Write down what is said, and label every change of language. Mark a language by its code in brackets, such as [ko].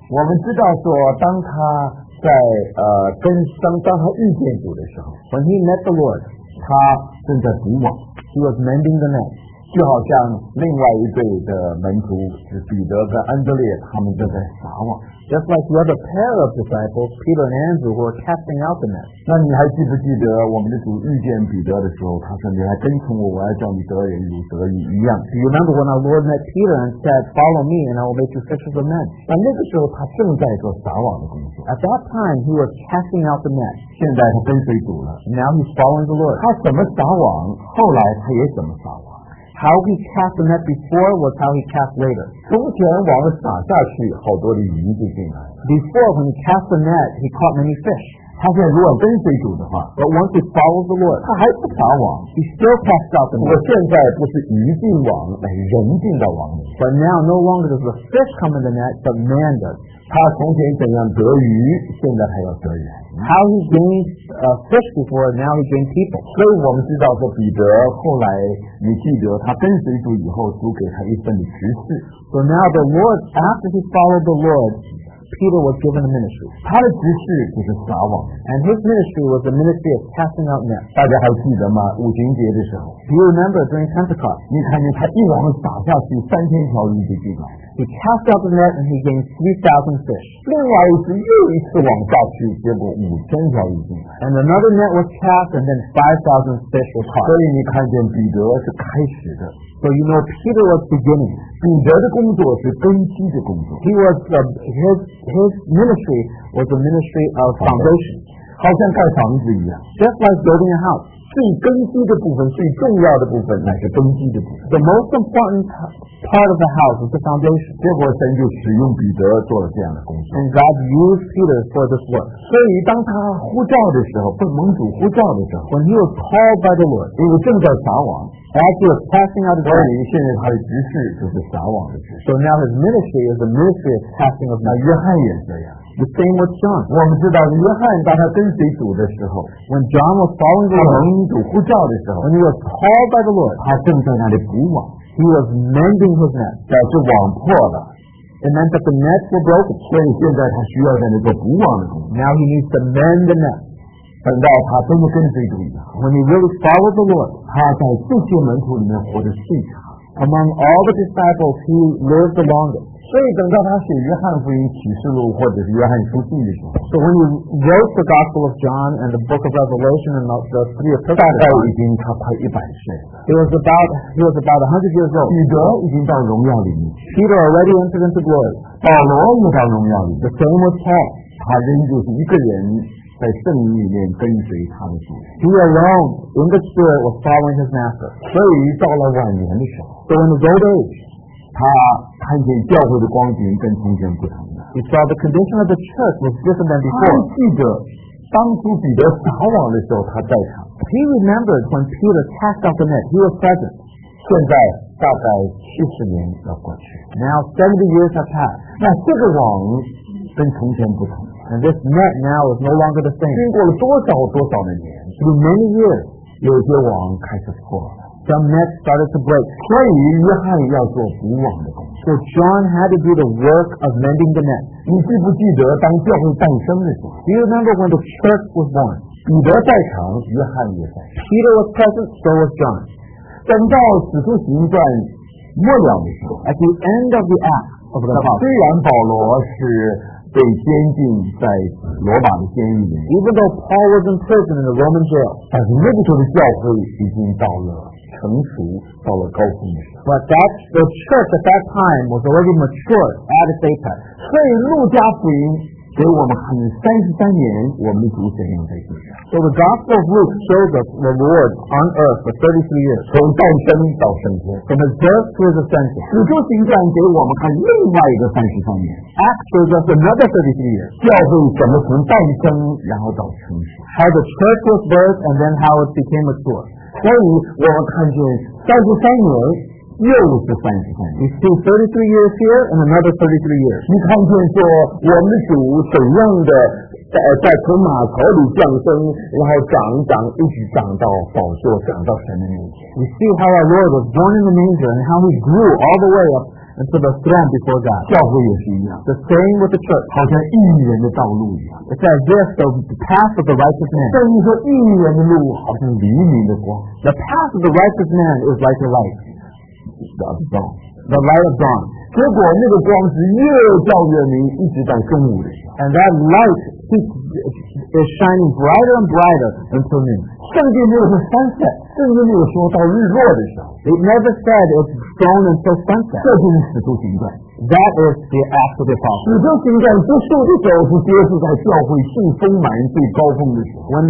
[zh] 我们知道说，当他在当他遇见主的时候 [en] ，when he met the Lord， [zh] 他正在补网。 [en] He was mending the net， [zh] 就好像另外一对的门徒是彼得跟安德烈，他们正在撒网。 [en] Just like the other pair of disciples, Peter and Andrew, who are casting out the net. [zh] 那你还记不记得我们的主遇见彼得的时候，他说：“你来跟从我，我要叫你得人如得鱼一样。” [en] Do you remember when our Lord met Peter and said, "Follow me, and I will make you fishers of men"? [zh] 但那个时候他正在做撒网的工作。 [en] At that time, he was casting out the net. [zh] 现在他跟随主了。 [en] Now he's following the Lord. [zh] 他怎么撒网，后来他也怎么撒网。 [en] How he cast the net before was how he cast later. [zh] 从前网撒下去，好多的鱼就进来。 [en] Before, when he cast the net, he caught many fish. [zh] 他现在如果跟随主的话 [en] ，But once he follows the Lord, [zh] 他还不撒网。 [en] He still casts out the net. [zh] 我现在不是鱼进网，乃人进到网里。 [en] But now, no longer does the fish come in the net, but man does. [zh] 他从前怎样得鱼，现在还要得人。 [en] How he gained fish before, now he gained people. [zh] 所以我们知道说彼得后来，你记得他跟随主以后，主给他一份的职事。 [en] So now the Lord, after he followed the Lord, Peter was given a ministry. [zh] 他的职事就是撒网。 [en] And his ministry was the ministry of casting out nets. [zh] 大家还记得吗？五旬节的时候。 [en] Do you remember during Pentecost? [zh] 你看见他一网撒下去，三千条鱼就进来。 [en] He cast out the net and he gained 3,000 fish. [zh] 另外一次又一次网下去，结果五千条鱼进来。 [en] And another net was cast and then 5,000 fish were caught. [zh] 所以你看见彼得是开始的。 [en] So you know Peter was beginning. [zh] 彼得的工作是根基的工作。 [en] He was his ministry was a ministry of foundation. [zh] 好像盖房子一样。 [en] Just like building a house. [zh] 最根基的部分，最重要的部分，乃是根基的部分。 [en] The most important part of the house is the foundation. [zh] 结果神就使用彼得做了这样的工作。 [en] And God used Peter for this work. [zh] 所以当他呼召的时候，被盟主呼召的时候 [en] ，When he was called by the Lord, he was [zh] 正在撒网。 [en] As he was casting out the net, [zh] 现在他的职事就是撒网的职事。 [en] So now his ministry is the ministry of casting of net. [zh] 约翰也这样。 [en] The same with John. [zh] 我们知道约翰当他跟随主的时候 [en] ，When John was following the Lord, [zh] 他蒙主呼召的时候 [en] ，When he was called by the Lord, [zh] 他正在那里补网。 [en] He was mending his net. [zh] 表示网破了。 [en] It meant that the nets were broken. [zh] 所以现在他需要在那做补网的工作。 [en] Now he needs to mend the net. [zh] 等到他真的跟随主 [en] ，When he really followed the Lord, [zh] 他在这些门徒里面活得最长。 [en] Among all the disciples, he lived the longest. [zh] 所以等到他写约翰福音启示录或者是约翰书信的时候 [en] So when he wrote the Gospel of John and the Book of Revelation and the three epistles [zh] 大概已经他快一百岁 [en] He was about 100 years old [zh] 彼得已经到荣耀里面 [en] Peter already entered into glory [zh] 保罗也到荣耀里面 [en] The same with Paul [zh] 他仍旧是一个人在圣灵里面跟随他的主 [en] He alone in the spirit was following his master [zh] 所以到了晚年的时候 [en] So in his old age [zh] 他看见教会的光景跟从前不同了。 [en] He saw the condition of the church was different than before. [zh] 他记得当初彼得撒网的时候他在场。 [en] He remembered when Peter cast out the net. He was present. [zh] 现在大概七十年要过去。 [en] Now 70 years have passed. [zh] 那这个王跟从前不同。 [en] And this man now is no longer the same. [zh] 经过了多少多少的年 [en] ，through many years， [zh] 有些王开始破了。 [en] Some net started to break. [zh] 所以约翰要做补网的工作。 [en] So John had to do the work of mending the net. [zh] 你记不记得当教会诞生的时候 [en] ？Do you remember when the church was born? [zh] 彼得在场，约翰也在。 [en] Peter was present, so was John. [zh] 等到使徒行传末了的时候 [en] ，at the end of the Acts of the Apostles， [zh] 虽然保罗是被监禁在罗马的监狱里面 [en] ，even though Paul was in prison in the Roman jail， [zh] 但是那个时候的教会已经到了。成熟到了高峰的时候 [en] ，but that the church at that time was already mature at its apex. [zh] 所以路加福音给我们很33年，我们的主怎样在地上 [en] ？So the Gospel of Luke shows us the Lord on earth for 33 years, [zh] 从诞生到升天 [en] ，from his birth to his ascension. [zh] 使徒行传给我们看另外一个33年 [en] ，Acts shows us another 33 years. [zh] 教会怎么从诞生然后到成熟 [en] ？How the church was birthed and then how it became mature. [zh] 所以我们看见33年又是33年 [en] You see 33 years here and another 33 years [zh] 你看见说我们的主怎样的 在从马槽里降生然后长长一直长到宝座长到神的面前 [en] You see how our Lord was born in the manger and how he grew all the way upAnd to the throne before God. [zh] 教会也是一样 [en] The same with the church. [zh] 好像义人的道路一样 [en] It's as if the path of the righteous man. [zh] 正如说义人的路好像黎明的光 [en] The path of the righteous man is like a light. The light of dawn. [zh] 结果那个光是越照越明一直到中午的时候 [en] And that light is shining brighter and brighter until noon. [zh] 圣经没有说 sunset. 圣经没有说到日落的时候 [en] It never said it's dawn until sunset. [zh] 这就是使徒行传。 [en] That is the Acts of the Apostles. [zh] 使徒行传结束的时候是结束在教会最丰满、最高峰的时候。